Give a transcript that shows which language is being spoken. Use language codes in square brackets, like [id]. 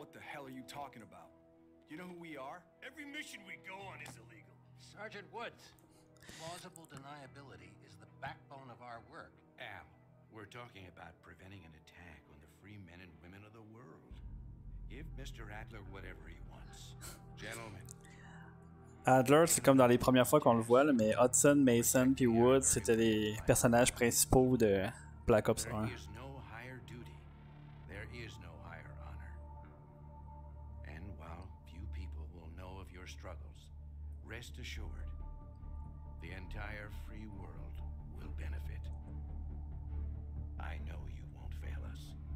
[en] What the hell are you talking about? You know who we are? Every mission we go on is illegal. Sergeant Woods, plausible deniability is the backbone of our work. Al, we're talking about preventing an attack on the free men and women of the world. Give Mr. Adler whatever he wants. Gentlemen. [fr] Adler, c'est comme dans les premières fois qu'on le voit, là, mais Hudson, Mason puis Woods, c'était les personnages principaux de Black Ops 1. [en] There is no higher honor. And while few people will know of your struggles, rest assured, the entire free world will benefit. I know you won't fail us.